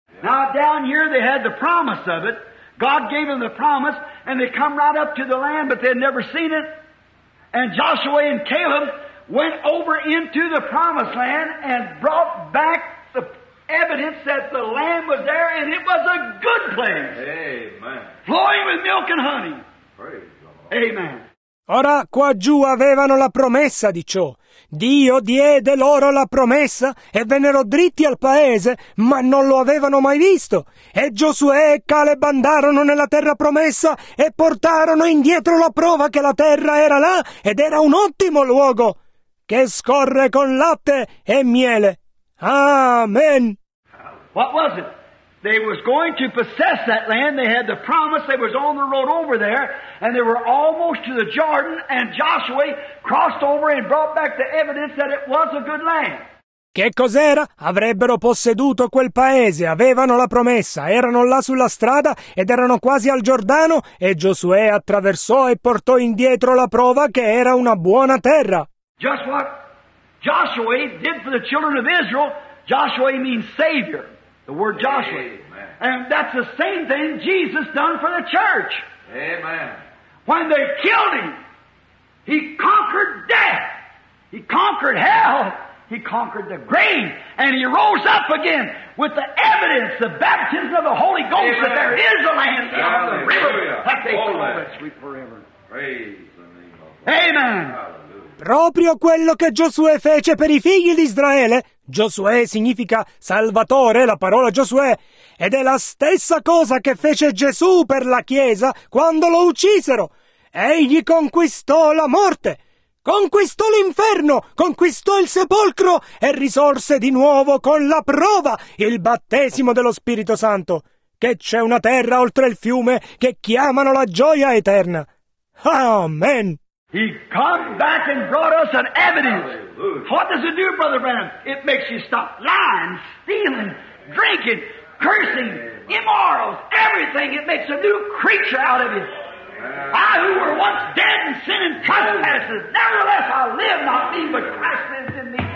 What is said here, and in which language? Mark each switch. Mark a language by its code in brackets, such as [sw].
[en] Now down here they had the promise of it. God gave them the promise and they come right up to the land, but they had never seen it. And Joshua and Caleb went over into the promised land and brought back the evidence that the land was there and it was a good place. Amen. Flowing with milk and honey. Praise God. Amen. [it] Ora qua giù avevano la promessa di ciò. Dio diede loro la promessa e vennero dritti al paese, ma non lo avevano mai visto. E Giosuè e Caleb andarono nella terra promessa e portarono indietro la prova che la terra era là ed era un ottimo luogo che scorre con latte e miele. Amen. [en] What was it? They was going to possess that land. They had the promise. They was on the road over there, and they were almost to the Jordan, and Joshua crossed over and brought back the evidence that it was a good land. [it] Che cos'era? Avrebbero posseduto quel paese, avevano la promessa, erano là sulla strada ed erano quasi al Giordano, e Giosuè attraversò e portò indietro la prova che era una buona terra. [en] Just what Joshua did for the children of Israel. Joshua means Savior. The word Joshua. Amen. And that's the same thing Jesus done for the church. Amen. When they killed him, he conquered death. He conquered hell. He conquered the grave. And he rose up again with the evidence, the baptism of the Holy Ghost. Amen. That there is a land beyond the river. That they call that sweet forever. Praise the name of God. Amen. [it] Proprio quello che Giosuè fece per i figli di Israele. Giosuè significa salvatore, la parola Giosuè, ed è la stessa cosa che fece Gesù per la Chiesa quando lo uccisero. Egli conquistò la morte, conquistò l'inferno, conquistò il sepolcro e risorse di nuovo con la prova, il battesimo dello Spirito Santo, che c'è una terra oltre il fiume che chiamano la gioia eterna. Amen. [en] He come back and brought us an evidence. Hallelujah. What does it do, Brother Branham? It makes you stop lying, stealing, drinking, cursing, immorals, everything. It makes a new creature out of you. I who were once dead in sin and trespasses, nevertheless I live, not me, but Christ lives in me.